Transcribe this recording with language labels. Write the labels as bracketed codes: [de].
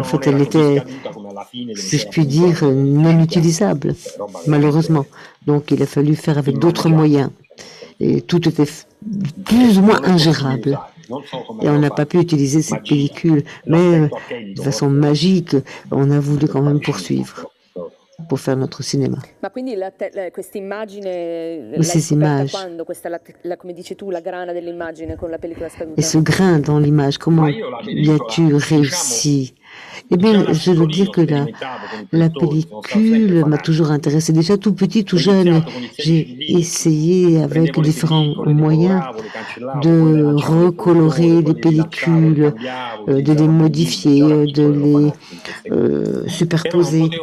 [fr] En fait, elle était, si je puis dire, non utilisable, malheureusement. Donc, il a fallu faire avec d'autres moyens. Et tout était plus ou moins ingérable. Et on n'a pas pu utiliser cette pellicule. Mais, de façon magique, on a voulu quand même poursuivre. Pour faire notre cinéma. [it] Ma quindi questa immagine, [fr] ces images, [it] quando questa la come dici tu la grana dell'immagine con la pellicola scaduta. [fr] Et ce grain dans l'image, comment l'as-tu réussi? Eh bien, je dois dire que la pellicule m'a toujours intéressé. Déjà tout petit, tout jeune, j'ai essayé avec différents moyens de recolorer les pellicules, de les modifier, de les superposer.